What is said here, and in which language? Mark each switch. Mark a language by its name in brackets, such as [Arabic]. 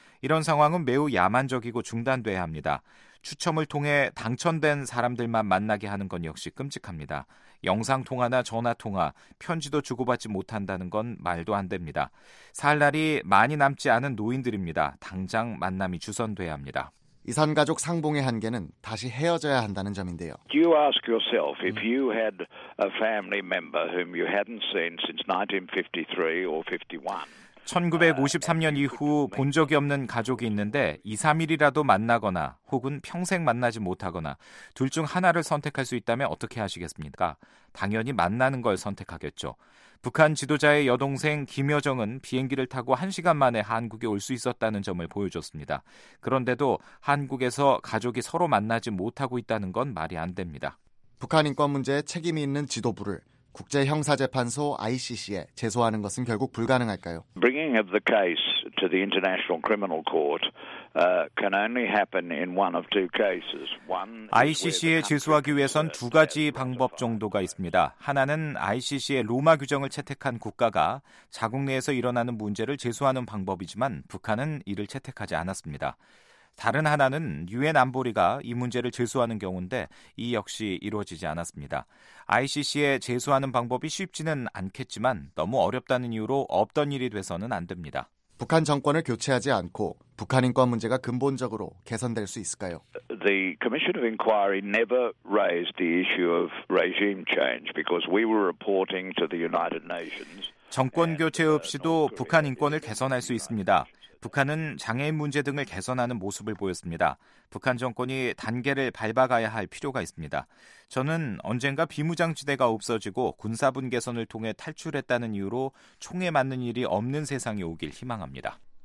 [Korean] 이런 상황은 매우 야만적이고 중단돼야 합니다. 추첨을 통해 당첨된 사람들만 만나게 하는 건 역시 끔찍합니다. 영상통화나 전화통화, 편지도 주고받지 못한다는 건 말도 안 됩니다. 살 날이 많이 남지 않은 노인들입니다. 당장 만남이 주선돼야 합니다. 이산가족 상봉의 한계는 다시 헤어져야 한다는 점인데요. [English] You ask yourself if you had a family member whom you hadn't seen since 1953 or 51. [Korean] 1953년 이후 본 적이 없는 가족이 있는데 2, 3일이라도 만나거나 혹은 평생 만나지 못하거나 둘 중 하나를 선택할 수 있다면 어떻게 하시겠습니까? 당연히 만나는 걸 선택하겠죠. 북한 지도자의 여동생 김여정은 비행기를 타고 1시간 만에 한국에 올 수 있었다는 점을 보여줬습니다. 그런데도 한국에서 가족이 서로 만나지 못하고 있다는 건 말이 안 됩니다. 북한 인권 문제에 책임이 있는 지도부를 국제형사재판소 ICC에 제소하는 것은 결국 불가능할까요? [English] Bringing of the case to the International Criminal Court can only happen in one of two cases. [Korean] ICC에 제소하기 위해선 두 가지 방법 정도가 있습니다. 하나는 ICC의 로마 규정을 채택한 국가가 자국 내에서 일어나는 문제를 제소하는 방법이지만 북한은 이를 채택하지 않았습니다. 다른 하나는 유엔 안보리가 이 문제를 제소하는 경우인데 이 역시 이루어지지 않았습니다. ICC에 제소하는 방법이 쉽지는 않겠지만 너무 어렵다는 이유로 없던 일이 돼서는 안 됩니다. 북한 정권을 교체하지 않고 북한 인권 문제가 근본적으로 개선될 수 있을까요? [English] The Commission of Inquiry never raised the issue of regime change because we were reporting to the United Nations. [Korean] 정권 교체 없이도 북한 인권을 개선할 수 있습니다. 북한은 장애인 문제 등을 개선하는 모습을 보였습니다. 북한 정권이 단계를 밟아가야 할 필요가 있습니다. 저는 언젠가 비무장지대가 없어지고 군사분 개선을 통해 탈출했다는 이유로 총에 맞는 일이 없는 세상이 오길 희망합니다.